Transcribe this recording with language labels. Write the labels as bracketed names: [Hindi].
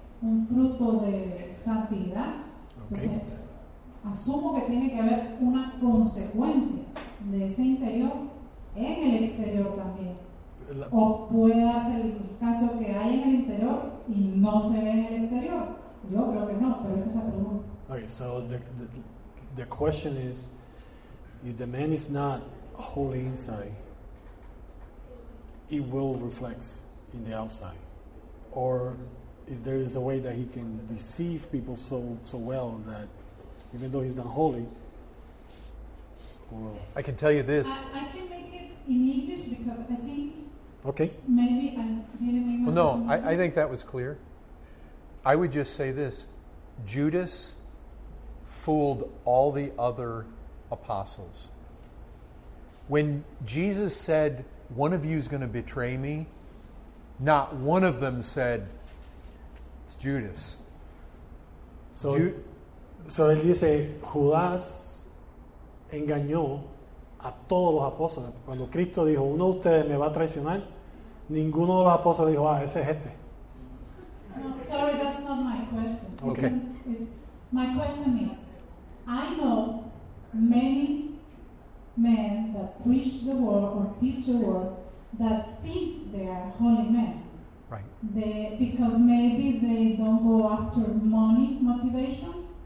[Spanish] un fruto de santidad. Okay. Entonces, asumo que tiene que haber una consecuencia de ese interior en el exterior también. O puede ser el caso que hay en el interior y no se ve en el exterior. Yo creo que no, pero esa es la pregunta. [English] Okay, so the question is, if the man is not holy inside, it will reflect in the outside. Or if there is a way that he can deceive people so well that even though he's not holy, well, I can tell you this. I can make it in English because I think okay. Maybe I didn't make well, no, I think that was clear. I would just say this. Judas fooled all the other apostles. When Jesus said, one of you is going to betray me, not one of them said, it's Judas. [Spanish] So él dice, Judas engañó a todos los apóstoles. Cuando Cristo dijo, uno de ustedes me va a traicionar, ninguno de los apóstoles dijo, ah, ese es este. [English] No, sorry, that's not my question. Okay. My question is, I know many men that preach the word or teach the word that think they are holy men. Right. They, because maybe they don't go after money motivations.